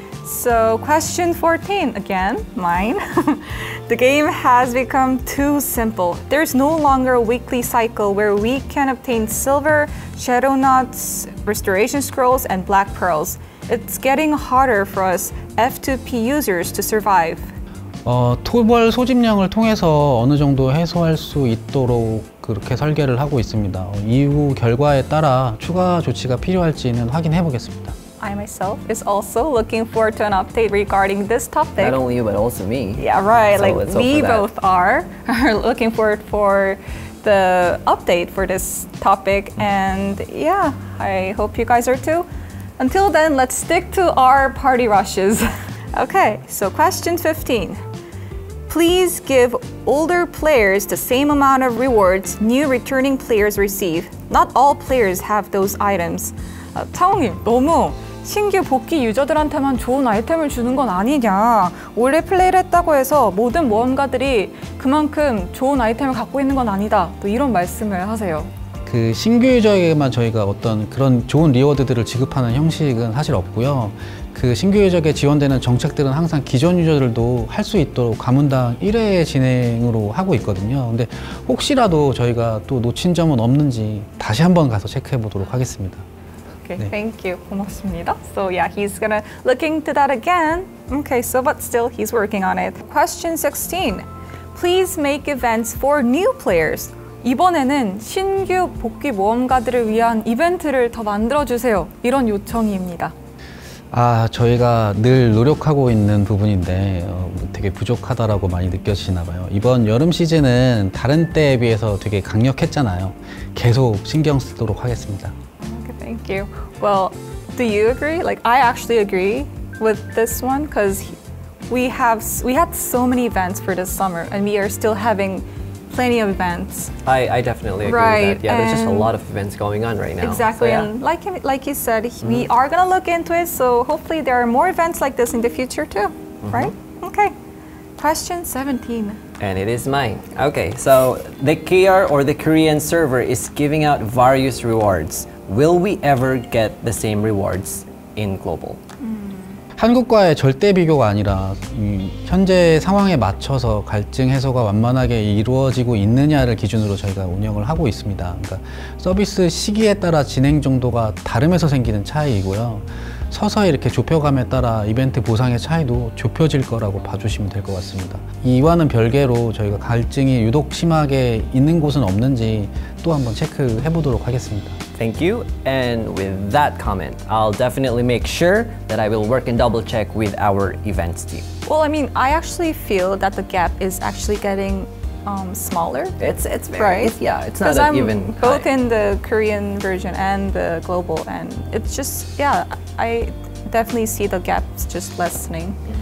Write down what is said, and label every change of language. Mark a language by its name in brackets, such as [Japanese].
[English] So question 14, again, mine. The game has become too simple. There's no longer a weekly cycle where we can obtain silver, shadow knots, restoration scrolls, and black pearls. It's getting harder for us F2P users to survive. [Korean] 토벌 소집령을 통해서 어느 정도 해소할 수 있도록 그렇게 설계를 하고 있습니다. 이후 결과에 따라 추가 조치가 필요할지는 확인해 보겠습니다. [English] I myself is also looking forward to an update regarding this topic. Not only you, but also me. Yeah, right. So like we both are looking forward for the update for this topic. And yeah, I hope you guys are too. Until then, let's stick to our party rushes. Okay, so question 15. Please give older players the same amount of rewards new returning players receive. Not all players have those items. [Korean] 차홍님, 너무 신규 복귀 유저들한테만 좋은 아이템을 주는 건 아니냐. 원래 플레이를 했다고 해서 모든 모험가들이 그만큼 좋은 아이템을 갖고 있는 건 아니다. 또 이런 말씀을 하세요. 그 신규 유저에게만 저희가 어떤 그런 좋은 리워드들을 지급하는 형식은 사실 없고요. 그 신규 유저에게 지원되는 정책들은 항상 기존 유저들도 할 수 있도록 가문당 1회 진행으로 하고 있거든요. 근데 혹시라도 저희가 또 놓친 점은 없는지 다시 한번 가서 체크해 보도록 하겠습니다. [English] Okay, [Korean] 네. [English] Thank you. [Korean] 고맙습니다. [English] So yeah, he's gonna look into that again. Okay, so but still he's working on it. Question 16. Please make events for new players. [Korean] 이번에는 신규 복귀 모험가들을 위한 이벤트를 더 만들어주세요. 이런 요청입니다. 아, 저희가 늘 노력하고 있는 부분인데 되게 부족하다라고 많이 느껴지시나 봐요. 이번 여름 시즌은 다른 때에 비해서 되게 강력했잖아요. 계속 신경 쓰도록 하겠습니다. [English] Okay, thank you. Well, do you agree? Like, I actually agree with this one because we had so many events for this summer and we are still having plenty of events. I definitely agree right. with that. Yeah, and there's just a lot of events going on right now. Exactly. So, yeah. And like you said, mm-hmm. we are going to look into it. So hopefully there are more events like this in the future too. Mm-hmm. Right? Okay. Question 17. And it is mine. Okay. So the KR or the Korean server is giving out various rewards. Will we ever get the same rewards in global? [Korean] 한국과의 절대 비교가 아니라 현재 상황에 맞춰서 갈증 해소가 완만하게 이루어지고 있느냐를 기준으로 저희가 운영을 하고 있습니다. 그러니까 서비스 시기에 따라 진행 정도가 다름에서 생기는 차이이고요. 서서히 이렇게 좁혀감에 따라 이벤트 보상의 차이도 좁혀질 거라고 봐주시면 될 것 같습니다. 이와는 별개로 저희가 갈증이 유독 심하게 있는 곳은 없는지 또 한번 체크해 보도록 하겠습니다. [English] Thank you. And with that comment, I'll definitely make sure that I will work and double check with our events team. Well, I mean, I actually feel that the gap is actually getting smaller. It's very, right? Yeah, it's not I'm even both high. In the Korean version and the global, and it's just, yeah, I definitely see the gaps just lessening.